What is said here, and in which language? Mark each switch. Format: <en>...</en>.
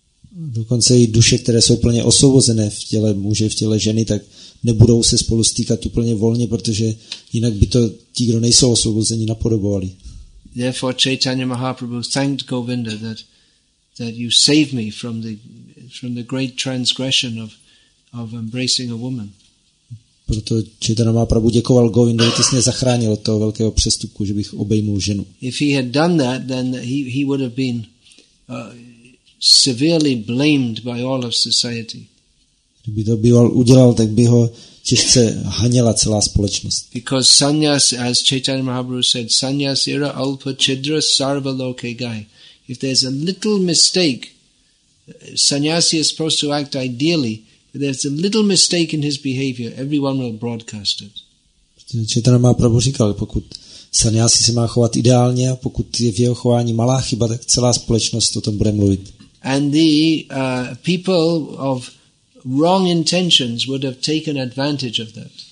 <cs>Dokonce i duše, které jsou plně osvobozené v těle muže, v těle ženy, tak nebudou se spolu stýkat úplně volně, protože jinak by to ti, kdo nejsou osvobozeni, napodobovali.</cs> <en>Therefore Chaitanya Mahaprabhu thanked Govinda that you saved me from the great transgression of embracing a woman.</en> <cs>Proto Chaitanya Mahaprabhu děkoval Govindovi, ty jsi mě zachránil od toho velkého přestupku, že bych obejmul ženu.</cs> <en>If he had done that, then he would have been severely blamed by all of society.</en> <cs>Kdyby to býval udělal, tak by ho těžce haněla celá společnost.</cs> <en>Because sannyas, as Chaitanya Mahaprabhu said,</en> <bn>sannyas ira alpa chidra sarva loke gai.</bn> <en>If there's a little mistake, sannyasi is supposed to act ideally, but there's a little mistake in his behavior, everyone will broadcast it.</en> <cs>Chaitanya Mahaprabhu říkal, pokud sannyasi se má chovat ideálně, a pokud je v jeho chování malá chyba, tak celá společnost o tom bude mluvit.</cs> <en>And the people of wrong intentions would have taken advantage of that.</en>